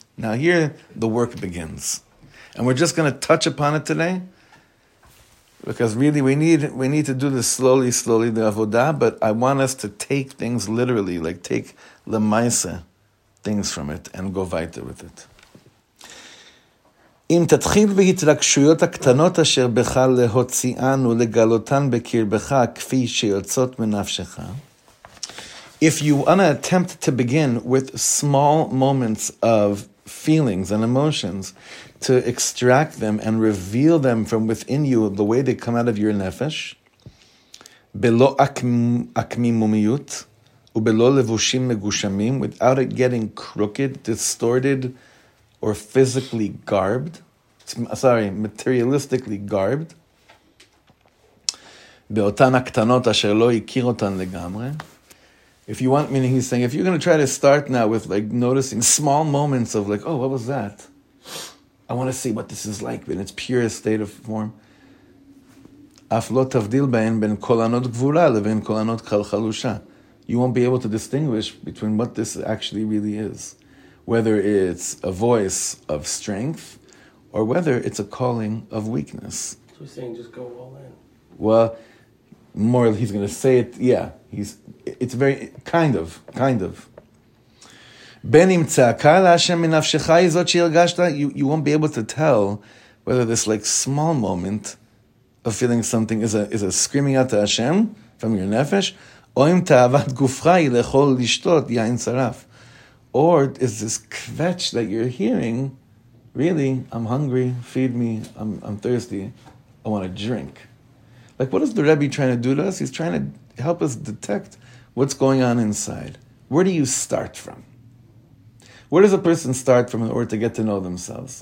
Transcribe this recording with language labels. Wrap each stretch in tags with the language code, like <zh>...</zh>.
<en>Now here, the work begins. And we're just going to touch upon it today. Because really, we need to do this slowly, slowly, the avodah. But I want us to take things literally, like take lemaisa things from it and go weiter with it.</en> <he>אם תתחיל בהתרגשויות הקטנות אשר בך להוציאן ולגלותן בקרבך כפי שיוצאות מנפשך.</he> <en>If you want to attempt to begin with small moments of feelings and emotions, to extract them and reveal them from within you the way they come out of your nefesh,</en> <he>בלא עקמימומיות ובלא לבושים מגושמים,</he> <en>without it getting crooked, distorted, or physically garbed, materialistically garbed,</en> <he>באותן הקטנות אשר לא הכיר אותן לגמרי.</he> <en>If you want, meaning he's saying, if you're going to try to start now with like noticing small moments of like, oh, what was that? I want to see what this is like in its purest state of form.</en> <he>אף לא תבדיל בהן בין קולנות גבורה לבין קולנות חלחלושה.</he> <en>You won't be able to distinguish between what this actually really is. Whether it's a voice of strength or whether it's a calling of weakness. So he's saying just go all in. Well, more he's going to say it, yeah. It's very, kind of.</en> <he>בין אם צעקה להשם מנפשך היא זאת שהרגשת,</he> <en>you won't be able to tell whether this like small moment of feeling something is a screaming out to Hashem from your nefesh,</en> <he>או אם תאוות גופך היא לאכול לשתות יין שרף.</he> <en>Or is this kvetch that you're hearing, really, I'm hungry, feed me, I'm thirsty, I want to drink. Like, what is the Rebbe trying to do to us? He's trying to help us detect what's going on inside. Where do you start from? Where does a person start from in order to get to know themselves?</en>